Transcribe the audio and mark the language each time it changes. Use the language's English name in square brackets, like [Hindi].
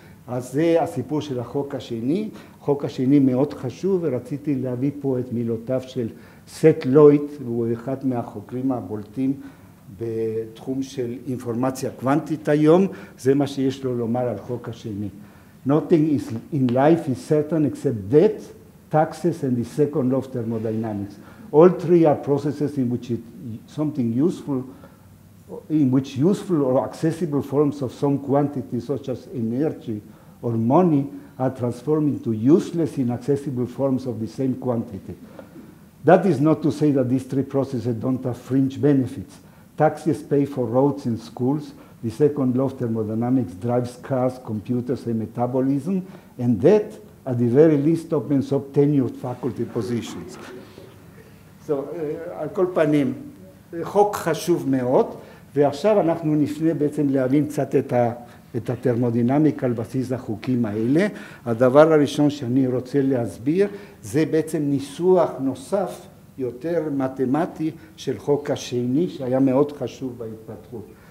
[Hebrew] אז זה הסיפור של החוק השני. החוק השני מאוד חשוב, ורציתי להביא פה את מילותיו של סט לויט, הוא אחד מהחוקרים הבולטים בתחום של אינפורמציה קוונטית היום, זה מה שיש לו לומר על החוק השני. [English] Nothing is in life is certain except death, taxes and the second law of thermodynamics. All three are processes in which something useful in which useful or accessible forms of some quantity, such as energy or money, are transformed into useless inaccessible forms of the same quantity. That is not to say that these three processes don't have fringe benefits. Taxis pay for roads and schools. The second law of thermodynamics drives cars, computers, and metabolism. And that, at the very least, opens up tenured faculty positions. [Hebrew] So, על כל פנים, חוק חשוב מאוד. ועכשיו אנחנו נפנה בעצם להבין קצת את את התרמודינמיקה על בסיס החוקים האלה. הדבר הראשון שאני רוצה להסביר, זה בעצם ניסוח נוסף יותר מתמטי של חוק השני, שהיה מאוד חשוב בהתפתחות.